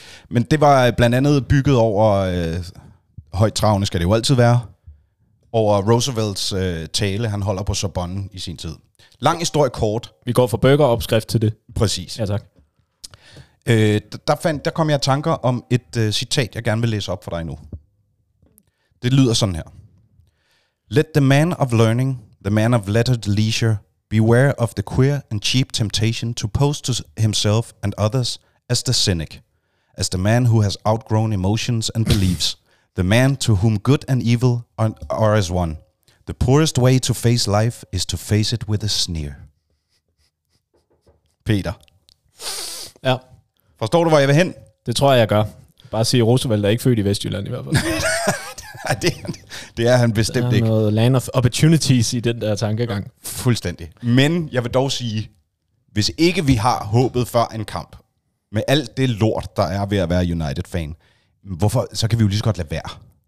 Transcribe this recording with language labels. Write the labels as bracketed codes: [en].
[da] Men det var blandt andet bygget over, højt travende skal det jo altid være, over Roosevelts tale, han holder på Sorbonne i sin tid. Lang historie kort. Vi går fra burgeropskrift til det. Præcis. Ja, tak. Der kom jeg i tanker om et citat, jeg gerne vil læse op for dig nu. Det lyder sådan her. [en] Let the man of learning, the man of lettered leisure, beware of the queer and cheap temptation to pose to himself and others as the cynic, as the man who has outgrown emotions and beliefs, the man to whom good and evil are as one. The poorest way to face life is to face it with a sneer. [da] Peter. Ja. Forstår du, hvor jeg vil hen? Det tror jeg, jeg gør. Bare sige, Roosevelt er ikke født i Vestjylland i hvert fald. Det er han bestemt ikke. Der er ikke. Noget [en] land of opportunities [da] i den der tankegang. Ja, fuldstændig. Men jeg vil dog sige, hvis ikke vi har håbet før en kamp, med alt det lort, der er ved at være United-fan, hvorfor, så kan vi jo lige så godt lade være.